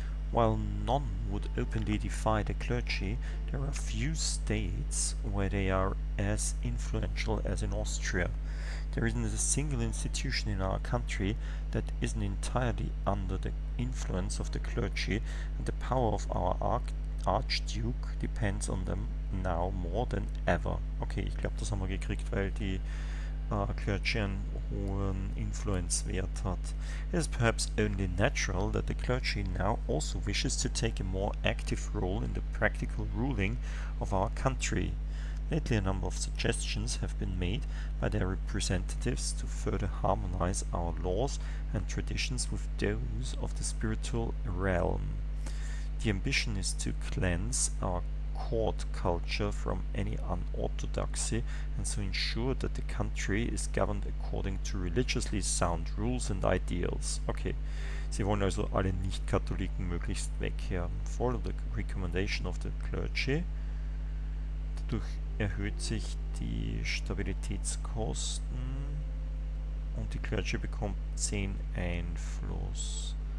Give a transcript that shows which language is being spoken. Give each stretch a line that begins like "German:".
English: While none would openly defy the clergy, there are few states where they are as influential as in Austria. There isn't a single institution in our country that isn't entirely under the influence of the clergy, and the power of our archduke depends on them now more than ever.
German: Okay, ich glaube, das haben wir gekriegt, weil die clergy einen hohen Influence-Wert hat.
English: It is perhaps only natural that the clergy now also wishes to take a more active role in the practical ruling of our country. Lately a number of suggestions have been made by their representatives to further harmonize our laws and traditions with those of the spiritual realm. The ambition is to cleanse our court culture from any unorthodoxy and so ensure that the country is governed according to religiously sound rules and ideals.
German: Okay, sie wollen also alle Nicht-Katholiken möglichst weghaben.
English: Follow the recommendation of the clergy.
German: Dadurch erhöht sich die Stabilitätskosten und die Clergy bekommt 10 Einfluss.